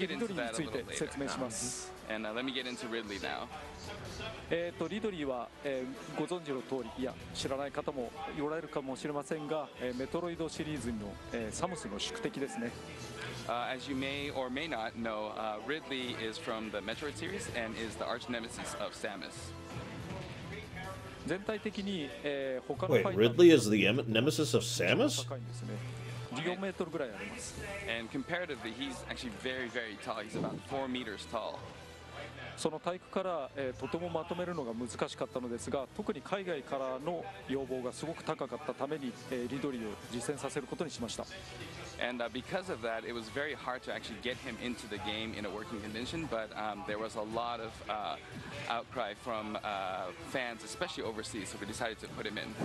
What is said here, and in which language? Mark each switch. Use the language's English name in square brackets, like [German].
[Japanese] で、今、ご覧の通り、ちょっと違うところなんですけれども、一番最初に選ぶのがファイターじゃなくてステージですね。それについては後で説明しましょうか。はい。とりあえずリドリーについて説明します。And [English] let me get into Ridley now. [Japanese] リドリーはご存知の通り、いや、知らない方もおられるかもしれませんが、メトロイドシリーズのサムスの宿敵ですね。 [English] As you may or may not know, Ridley is from the Metroid series and is the arch nemesis of Samus. Wait, Ridley is the nemesis of Samus? And comparatively, he's actually very, very tall. He's about 4 meters tall. [Japanese] その体育から、とてもまとめるのが難しかったのですが、特に海外からの要望がすごく高かったために、リドリーを実践させることにしました。 [English] And because of that, it was very hard to actually get him into the game in a working condition, but there was a lot of outcry from fans, especially overseas, so we decided to put him in.